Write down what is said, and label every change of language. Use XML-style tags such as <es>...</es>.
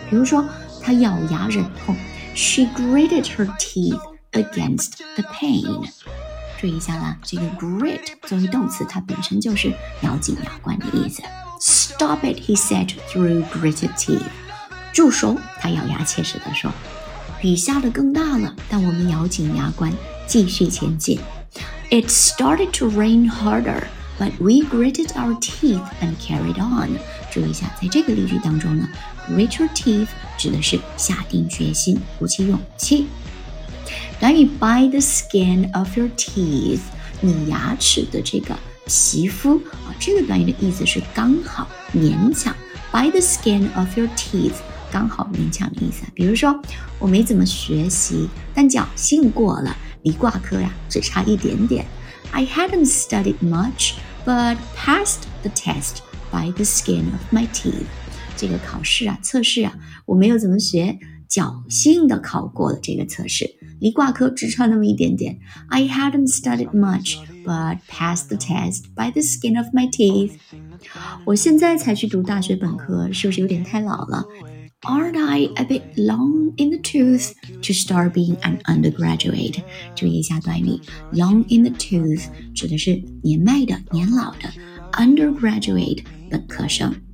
<zh>比如说她咬牙忍痛，</zh> <en>She gritted her teeth against the pain。</en> <zh>注意一下啦，这个 grit 作为动词，它本身就是咬紧牙关的意思。</zh> <en>Stop it， he said through gritted teeth，</en> <zh>住手，她咬牙切齿地说，雨下得更大了，但我们咬紧牙关继续前进。</zh> <en>It started to rain harder, but we gritted our teeth and carried on.</en> <zh>注意一下，在这个例句当中呢， grit your teeth 指的是下定决心，鼓起勇气。短语 by the skin of your teeth， 你牙齿的这个皮肤啊，这个短语的意思是刚好、勉强。</zh> <en>By the skin of your teeth，</en> <zh>刚好勉强的意思。比如说，我没怎么学习，但侥幸过了。离挂科呀，只差一点点。</zh> <en>I hadn't studied much, but passed the test by the skin of my teeth.</en> <zh>这个考试啊，测试啊，我没有怎么学，侥幸的考过了这个测试。离挂科只差那么一点点。</zh> <en>I hadn't studied much, but passed the test by the skin of my teeth.</en> <zh>我现在才去读大学本科，是不是有点太老了？</zh> <en>Aren't I a bit long in the tooth to start being an undergraduate?</en> <zh>注意一下短语 long in the tooth 指的是年迈的、年老的 undergraduate 本科生。</zh>